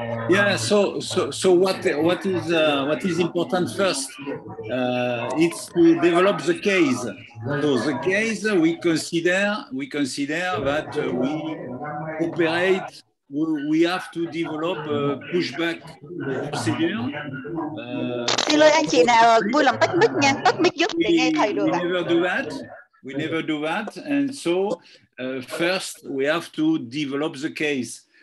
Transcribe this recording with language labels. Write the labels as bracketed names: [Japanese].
[English] Yeah, so what is important first, it's to develop the case. So the case we consider that we operate, we have to develop a pushback procedure. [Vietnamese] Xin lỗi anh chị nào, vui lòng tắt mic nha, tắt mic giúp để nghe thầy được. [English] We never do that, and so first we have to develop the case.